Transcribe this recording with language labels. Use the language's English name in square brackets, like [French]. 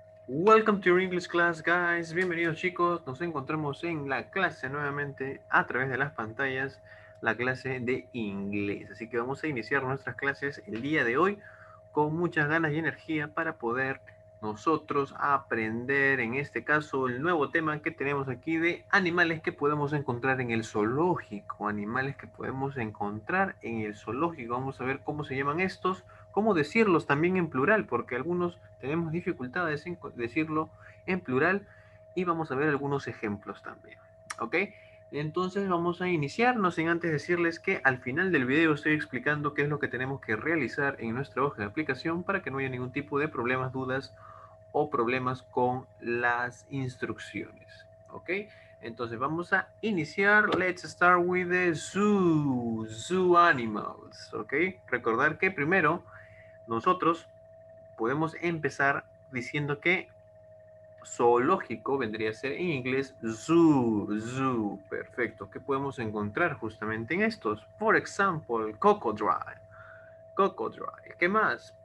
[English] Welcome to your English class, guys. [Spanish] Bienvenidos, chicos. Nos encontramos en la clase nuevamente a través de las pantallas, la clase de inglés. Así que vamos a iniciar nuestras clases el día de hoy con muchas ganas y energía para poder nosotros aprender, en este caso, el nuevo tema que tenemos aquí de animales que podemos encontrar en el zoológico. Animales que podemos encontrar en el zoológico. Vamos a ver cómo se llaman estos. ¿Cómo decirlos también en plural? Porque algunos tenemos dificultades en decirlo en plural. Y vamos a ver algunos ejemplos también. ¿Ok? Entonces vamos a iniciar. No sin antes decirles que al final del video estoy explicando qué es lo que tenemos que realizar en nuestra hoja de aplicación para que no haya ningún tipo de problemas, dudas o problemas con las instrucciones. ¿Ok? Entonces vamos a iniciar. [English] Let's start with the zoo animals. ¿Ok? [Spanish] Recordar que primero nosotros podemos empezar diciendo que zoológico vendría a ser en inglés zoo. Perfecto. ¿Qué podemos encontrar justamente en estos? Por [English] example, crocodile. [Spanish] ¿Qué más?